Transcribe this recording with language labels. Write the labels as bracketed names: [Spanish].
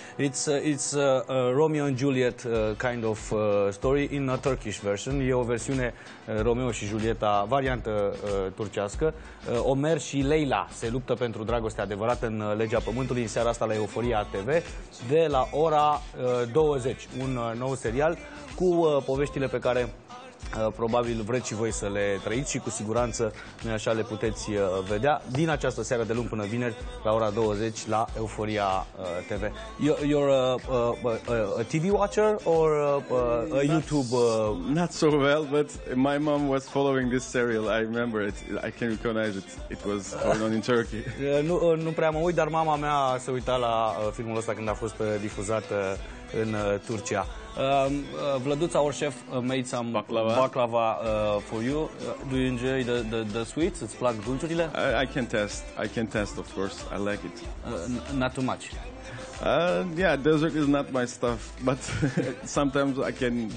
[English] It's a Romeo and Juliet kind of story in a Turkish version. [Romanian] E o versiune Romeo și Julieta, variantă turcească. Omer și Leila se luptă pentru dragoste adevărată în Legea Pământului în seara asta la Euphoria TV de la ora 20. Un nou serial cu poveștile pe care probabil vreți și voi să le trăiți și cu siguranță noi așa le puteți vedea din această seară de luni până vineri la ora 20 la Euphoria TV. [English] You're a TV watcher or a YouTube? Not so well, but my mom was following this serial. I remember it. I can recognize it. It was going on in Turkey. [Romanian] Nu prea mă uit, dar mama mea se uita la filmul ăsta când a fost difuzat în Turcia. [English] Vladuț, our chef, made some baklava for you. Do you enjoy the sweets? [Romanian] Îți plac dulciurile? [English] I can test. I can test, of course. I like it. Not too much. Yeah, dessert is not my stuff, but sometimes I can test.